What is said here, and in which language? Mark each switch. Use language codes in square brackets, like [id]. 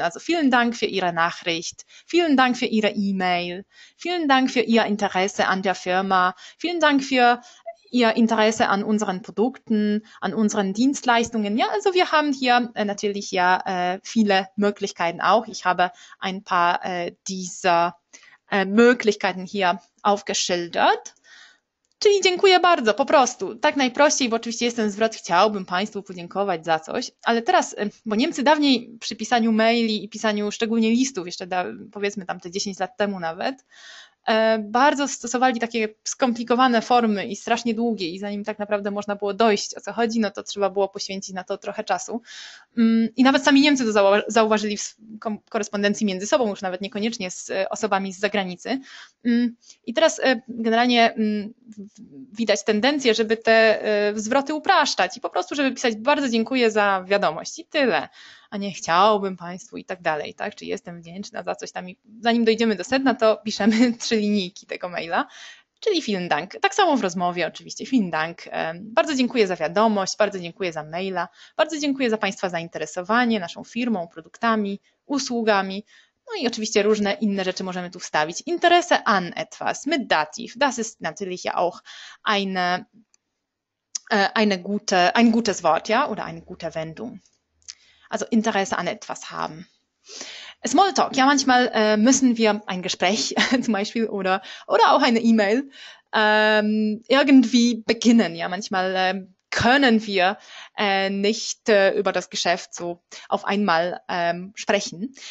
[de] Also vielen Dank für Ihre Nachricht, vielen Dank für Ihre E-Mail, vielen Dank für Ihr Interesse an der Firma, vielen Dank für Ihr Interesse an unseren Produkten, an unseren Dienstleistungen. Ja, also wir haben hier natürlich ja viele Möglichkeiten auch. Ich habe ein paar dieser Möglichkeiten hier aufgeschildert. [pl] Czyli dziękuję bardzo, po prostu. Tak najprościej, bo oczywiście jest ten zwrot, chciałbym Państwu podziękować za coś, ale teraz, bo Niemcy dawniej przy pisaniu maili i pisaniu szczególnie listów, jeszcze powiedzmy tam te 10 lat temu nawet, bardzo stosowali takie skomplikowane formy i strasznie długie i zanim tak naprawdę można było dojść, o co chodzi, no to trzeba było poświęcić na to trochę czasu. I nawet sami Niemcy to zauważyli w korespondencji między sobą, już nawet niekoniecznie z osobami z zagranicy. I teraz generalnie widać tendencję, żeby te zwroty upraszczać i po prostu, żeby pisać bardzo dziękuję za wiadomość i tyle, a nie chciałbym Państwu i tak dalej, tak? Czy jestem wdzięczna za coś tam i zanim dojdziemy do sedna, to piszemy trzy linijki tego maila, czyli [de] vielen Dank. [pl] Tak samo w rozmowie oczywiście, [de] vielen Dank. [pl] Bardzo dziękuję za wiadomość, bardzo dziękuję za maila, bardzo dziękuję za Państwa zainteresowanie naszą firmą, produktami, usługami. No i oczywiście różne inne rzeczy możemy tu wstawić. [de] Interesse an etwas, mit Dativ, das ist natürlich ja auch ein gutes Wort, ja, oder eine gute Wendung. Also Interesse an etwas haben. Smalltalk, ja, manchmal müssen wir ein Gespräch zum Beispiel oder auch eine E-Mail irgendwie beginnen, ja, manchmal können wir nicht über das Geschäft so auf einmal sprechen.